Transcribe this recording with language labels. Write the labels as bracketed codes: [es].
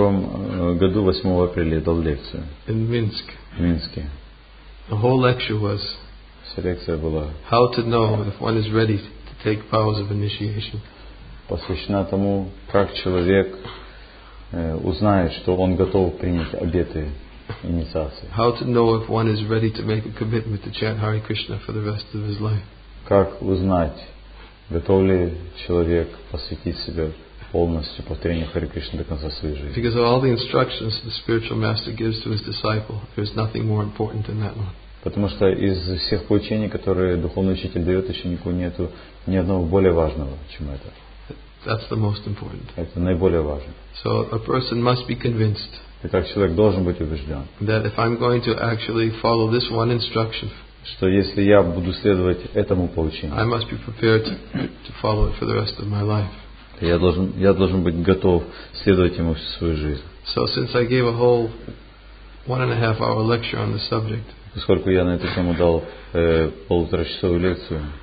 [en] April 8th, 2002. In Minsk. The whole lecture was how to know if one is ready to take vows of initiation. [ru] Посвящена тому, как человек узнает, что он готов принять обеты инициации. [en] How to know if one is ready to make a commitment to chant Hare Krishna for the rest of his life? [ru] Как узнать, готов ли человек посвятить себя полностью повторению Харе Кришны до конца своей жизни? [en] Because of all the instructions the spiritual master gives to his disciple, there's nothing more important than that one. [ru] Потому что из всех поучений, которые духовный учитель дает ученику, нету ни одного более важного, чем это. [en] That's the most important. [ru] Это наиболее важно. [en] So a person must be convinced. [ru] Итак, человек должен быть убежден. [en] That if I'm going to actually follow this one instruction. [ru] Что если я буду следовать этому поучению. [en] I must be prepared to follow it for the rest of my life. [ru] Я должен быть готов следовать ему всю свою жизнь. [en] So since I gave a whole 1.5-hour lecture on the subject. [ru] Поскольку я на эту тему дал полуторачасовую лекцию.